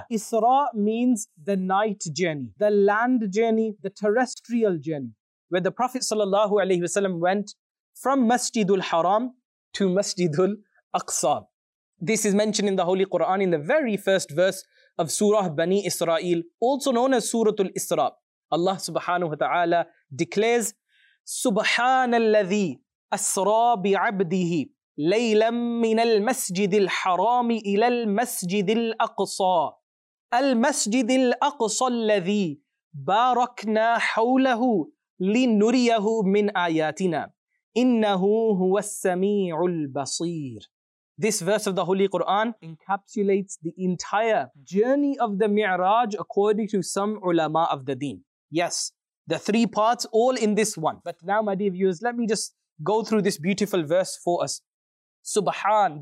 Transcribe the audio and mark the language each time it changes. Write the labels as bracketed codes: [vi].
[en] Isra means the night journey, the land journey, the terrestrial journey, where the Prophet sallallahu alaihi wasallam went from Masjidul Haram to Masjidul Aqsa. This is mentioned in the Holy Quran in the very first verse of Surah Bani Israel, also known as Suratul Isra. Allah subhanahu wa ta'ala declares, [ar] سبحان الذي أسرى بعبده ليلا من المسجد الحرام إلى المسجد الأقصى المسجد الأقصى الذي باركنا حوله لنريه من آياتنا إنه هو السميع البصير. [en] This verse of the Holy Quran encapsulates the entire journey of the Mi'raj according to some ulama of the deen. Yes, the three parts all in this one. But now, my dear viewers, let me just go through this beautiful verse for us. Subhan.